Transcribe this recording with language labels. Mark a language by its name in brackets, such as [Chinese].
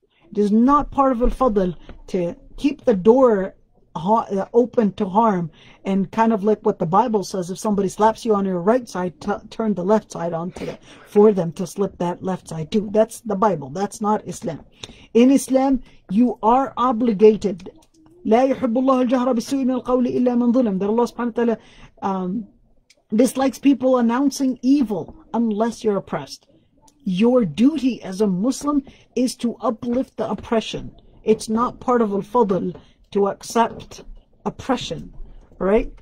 [English] It is not part of al-fadl to keep the door open to harm. And kind of like what the Bible says, if somebody slaps you on your right side, turn the left side on to them, for them to slip that left side too. That's the Bible. That's not Islam. In Islam, you are obligated. [Arabic] لا يحب الله الجهر بالسوء من القول إلا من ظلم. [English] That Allah subhanahu wa ta'ala dislikes people announcing evil unless you're oppressed. Your duty as a Muslim is to uplift the oppression. It's not part of al-fadl to accept oppression, right?